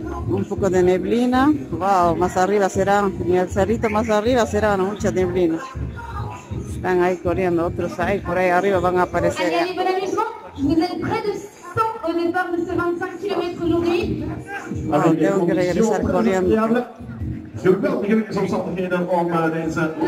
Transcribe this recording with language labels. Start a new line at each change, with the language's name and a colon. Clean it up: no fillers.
Spanish: Un poco de neblina, wow, más arriba será, ni el cerrito más arriba será, no, mucha neblina. Están ahí corriendo otros ahí, por ahí arriba van a aparecer.
French: Allez, allez, bon, vous êtes près de 100 au départ de ce 25 km aujourd'hui.
Spanish: Wow, tengo que regresar corriendo.
Dutch: Geweldige omstandigheden om deze